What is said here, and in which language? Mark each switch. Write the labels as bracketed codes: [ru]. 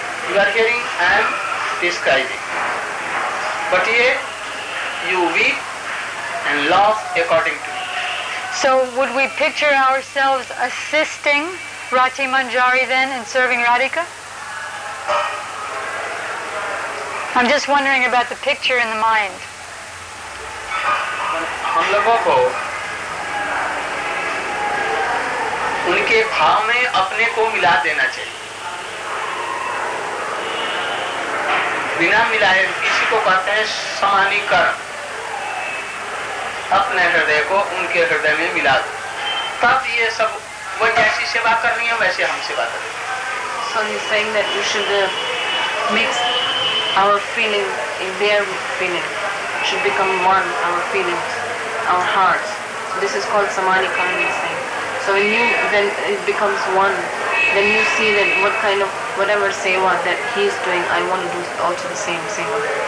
[en] You are hearing, I am describing. But yet, you weep and laugh according to me. So would we picture ourselves assisting Rati Manjari then in serving Radhika? I'm just wondering about the picture in the mind. [hi] हम लोगों को उनके भाव में अपने को मिला देना चाहिए. बिना मिलाए किसी को कहते हैं समानीकरण. अपने हृदय को उनके हृदय में मिला दो, तब ये सब वो जैसी सेवा करनी है वैसे हम सेवा करें. [en] So you're saying that we should mix our feeling in their feeling, should become one, our feelings, our hearts. So this is called samani karma thing. So when you, when it becomes one, then you see that what kind of, whatever seva that he is doing, I want to do also the same seva.